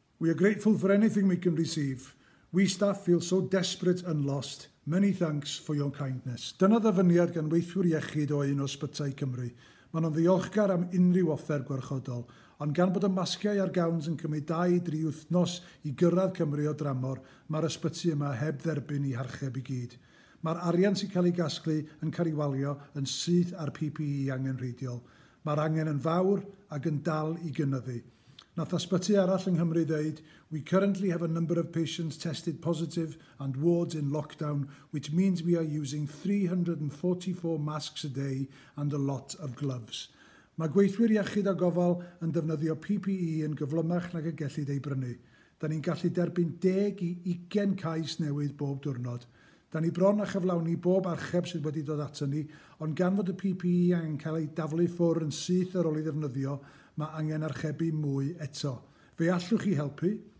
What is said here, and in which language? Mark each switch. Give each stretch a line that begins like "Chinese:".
English: We are grateful for anything we can receive. We staff feel so desperate and lost. Many thanks for your kindness.
Welsh: Dyna ddyfyniad gan weithwyr iechyd o un o Ysbytai Cymru. Maen nhw'n ddiolchgar am unrhyw offer gwarchodol, ond gan bod y masgiau a'r gawns yn cymryd 2-3 wythnos I gyrraedd Cymru o dramor, mae'r ysbyty yma heb dderbyn I harcheb I gyd. Mae'r arian sy'n cael ei gasglu yn cael ei walio yn syth ar PPE angenrheidiol. Mae'r angen yn fawr ac yn dal I gynyddu. Nath ysbyty arall yng Nghymru ddeud,
English: we currently have a number of patients tested positive and wards in lockdown, which means we are using 344 masks a day and a lot of gloves.
Welsh: Mae gweithwyr iechyd a gofal yn defnyddio PPE yn gyflymach nag y gellid ei brynu. Da ni'n gallu derbyn 10 I 20 cais newydd bob diwrnod. Da ni bron a chyflawni bob archeb sydd wedi dod ato ni, ond gan fod y PPE angen cael ei daflu ffwr yn syth ar ôl ei ddefnyddio, mae angen archebu mwy eto. Fe allwch chi helpu?